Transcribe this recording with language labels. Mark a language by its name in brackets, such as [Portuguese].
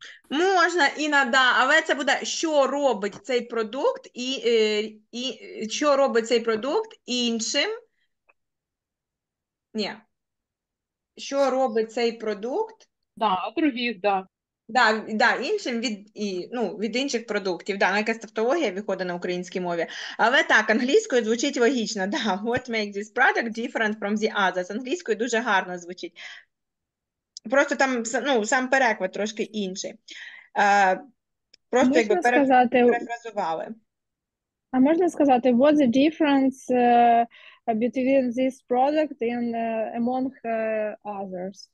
[Ukrainian] Можна і на да, але це буде що робить цей продукт і що робить цей продукт іншим? Ні. Що робить цей продукт? Да, а других, да. Да, да, іншим від, і, ну, від інших продуктів, да, якась тавтологія виходить на українській мові. Але так, англійською звучить логічно, да. [English] What makes this product different from the others? [Ukrainian] Англійською дуже гарно звучить. Просто там, ну, сам переклад трошки інший. Просто можна якби сказати, перефразували. А можна сказати, [English] what's the difference between this product and among others?